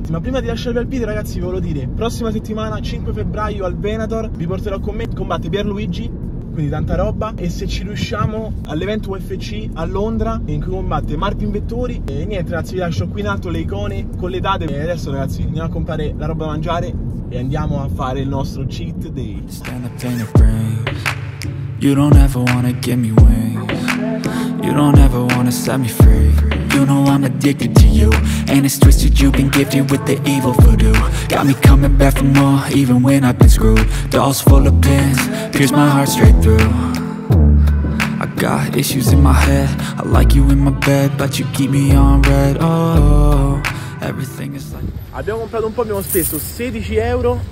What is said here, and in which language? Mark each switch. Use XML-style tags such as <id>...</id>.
<it>Ma prima di lasciarvi al video ragazzi, vi volevo dire, prossima settimana 5 febbraio al Venator vi porterò con me, combatte Pierluigi, quindi tanta roba. E se ci riusciamo all'evento UFC a Londra, in cui combatte Martin Vettori. E niente ragazzi, vi lascio qui in alto le icone con le date. E adesso ragazzi andiamo a comprare la roba da mangiare e andiamo a fare il nostro cheat day.</it> <en>Stand up, pain of brains. You don't ever wanna give me wings. You don't ever wanna set me free. You know I'm addicted to you. And it's twisted, you've been gifted with the evil voodoo. Got me coming back for more, even when I've been screwed. Dolls full of pins, pierce my heart straight through. I got issues in my head. I like you in my bed, but you keep me on red. Oh, everything is like.</en> <it>Abbiamo comprato un po', abbiamo speso 16 euro.</it>